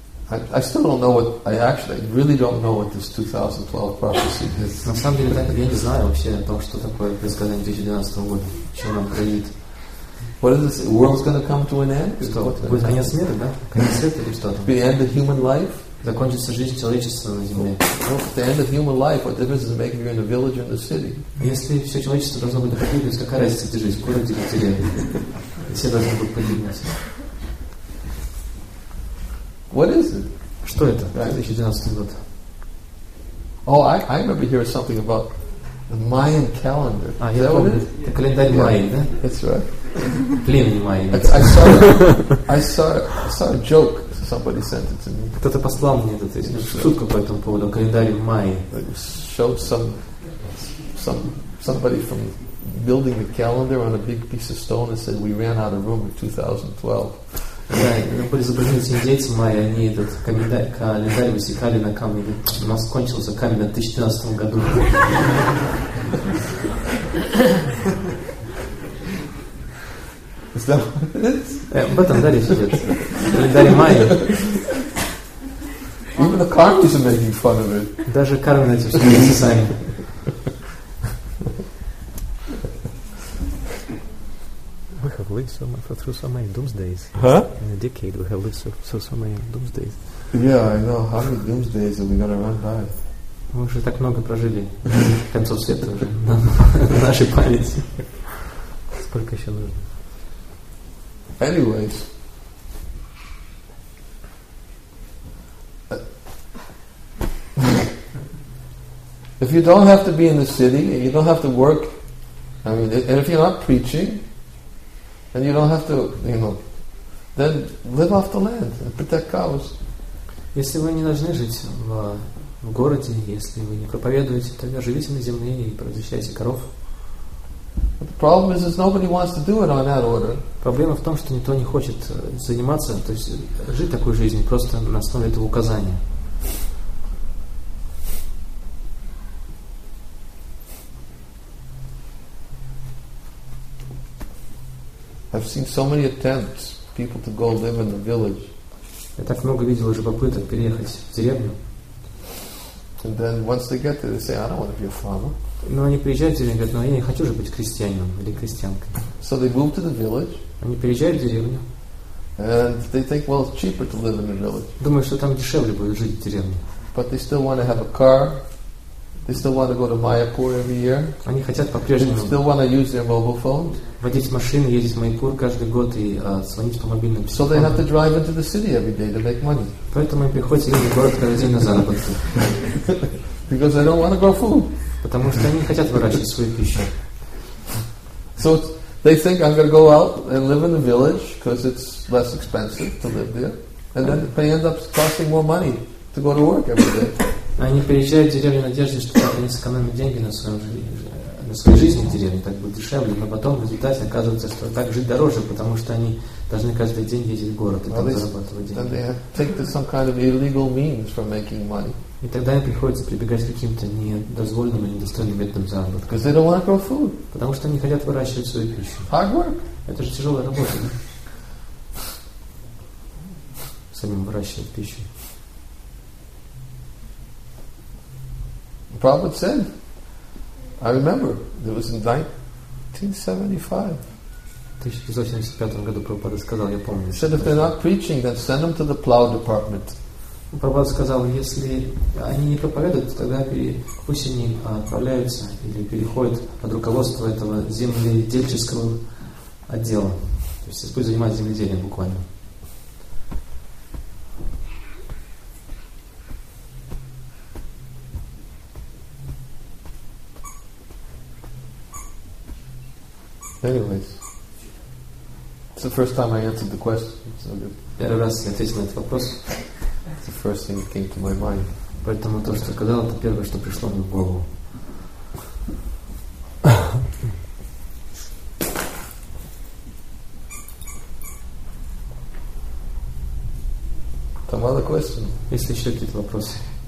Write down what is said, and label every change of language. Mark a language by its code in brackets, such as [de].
[en] I still don't know what I really don't know what this 2012 prophecy is. [ru] На самом деле, так я не знаю вообще о том, что такое предсказание 2012 года, что нам грозит. [en] What is this? The world's going to come to an end? [ru] Что, будет конец мира, да? Конец света или что там? [en] The end of human life? [ru] Закончится жизнь человечества на земле. [en] Well, the end of human life, what difference does it make if you're in the village or in the city? [ru] Если все человечество должно быть погибло, то какая разница, где жизнь, в городе или в деревне? Все должны быть погибнуть. [en] What is it? [ru] Что это? 2012 год. [en] Oh, I remember hearing something about the Mayan calendar. [ru] А, я помню. Это календарь Майя, да? [en] That's right. [ru] Племени Майя. [en] I saw a joke. Somebody sent it to me. [ru] Кто-то послал мне этот шутку по этому поводу. Календарь Майя. [en] Showed somebody from building the calendar on a big piece of stone and said we ran out of room in 2012. [ru] Да, были изображены эти индейцы майя, они этот календарь высекали на камне. У нас кончился камень в 2012 году. Об этом, да, речь идет. Календарь майя. [en] Even the karmis are making fun of it. [ru] Даже кармы эти смеются сами. [en] So much for through so many doomsdays. Huh? In a decade, we have lived so many doomsdays. Yeah, I know. How many doomsdays are we gonna run by? [ru] Мы уже так много прожили. Концов света уже в нашей памяти. Сколько еще нужно? [en] Anyways, if you don't have to be in the city, you don't have to work. I mean, and if you're not preaching. And you don't have to, you know, then live off the land and protect cows. [ru] Если вы не должны жить в городе, если вы не проповедуете, тогда живите на земле и защищайте коров. [en] But the problem is nobody wants to do it on that order. [ru] Проблема в том, что никто не хочет заниматься, то есть жить такой жизнью просто на основе этого указания. [en] I've seen so many attempts people to go live in the village. [ru] Я так много видел уже попыток переехать в деревню. [en] And then once they get there, they say, "I don't want to be a farmer." [ru] Но они приезжают в деревню, говорят, "Но я не хочу же быть крестьянином или крестьянкой." [en] So they move to the village. [ru] Они переезжают в деревню. [en] And they think, "Well, it's cheaper to live in the village." [ru] Думаю, что там дешевле будет жить в деревне. [en] But they still want to have a car. They still want to go to Mayapur every year. [ru] Они хотят по-прежнему. [en] They still want to use their mobile phone. [ru] Водить машину, ездить в Майпур каждый год и звонить по мобильным телефонам. [en] So they have to drive into the city every day to make money. [ru] Поэтому им приходится ездить в город каждый день на заработки. [en] Because they don't want to grow food. [ru] Потому что они не хотят выращивать свою пищу. [en] So they think I'm going to go out and live in the village because it's less expensive to live there, and then they end up costing more money to go to work every day. [ru] Они переезжают в деревню в надежде, что как-то они сэкономят деньги на своем жилье, на своей жизни в деревне, так будет дешевле, но потом в результате оказывается, что так жить дороже, потому что они должны каждый день ездить в город и там зарабатывать деньги. [en] They take to some kind of illegal means for making money. [ru] И тогда им приходится прибегать к каким-то недозволенным и недостойным методам заработка. [en] Because they don't want to grow food. [ru] Потому что они хотят выращивать свою пищу. [en] Hard work. [ru] Это же тяжелая работа, да? Самим выращивать пищу. [en] Prabhupada said, I remember, it was in 1975. He said, if they're not preaching, then send them to the plow department. [ru] Prabhupada сказал, если они не проповедуют, тогда пусть они отправляются или переходят под руководство этого земледельческого отдела. То есть пусть занимаются земледелием буквально. [en] Anyways, it's the first time I answered the question. So [ru] первый раз я ответил на этот вопрос. [en] It's the first thing that came to my mind. [ru] Поэтому то, что сказал, это первое, что пришло мне в голову. [en] Some other question? [ru] Если еще какие-то вопросы.